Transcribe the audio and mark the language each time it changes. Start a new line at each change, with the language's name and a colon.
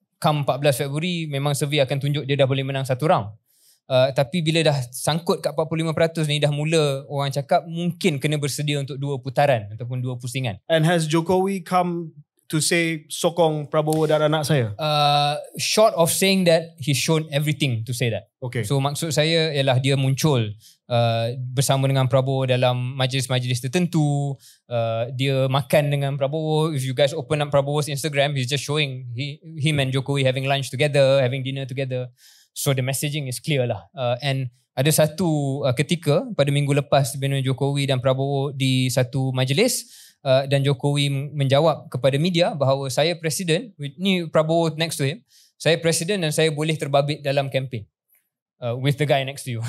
Malay: Come 14 Februari, memang survey akan tunjuk dia dah boleh menang satu round. Tapi bila dah sangkut kat 45% ni, dah mula orang cakap mungkin kena bersedia untuk dua putaran ataupun dua pusingan.
English: And has Jokowi come to say
Malay: sokong Prabowo dan anak saya?
English: Short of saying that, he's shown everything to say that. Okay.
Malay: So maksud saya ialah dia muncul bersama dengan Prabowo dalam majlis-majlis tertentu. Dia makan dengan Prabowo.
English: If you guys open up Prabowo's Instagram, he's just showing him and Jokowi having lunch together, having dinner together. So the messaging is clear
Malay: lah. And ada satu ketika pada minggu lepas bina Jokowi dan Prabowo di satu majlis, dan Jokowi menjawab kepada media bahawa saya presiden, ni Prabowo
English: next to him,
Malay: saya presiden dan saya boleh terbabit dalam kempen
English: with the guy next to you.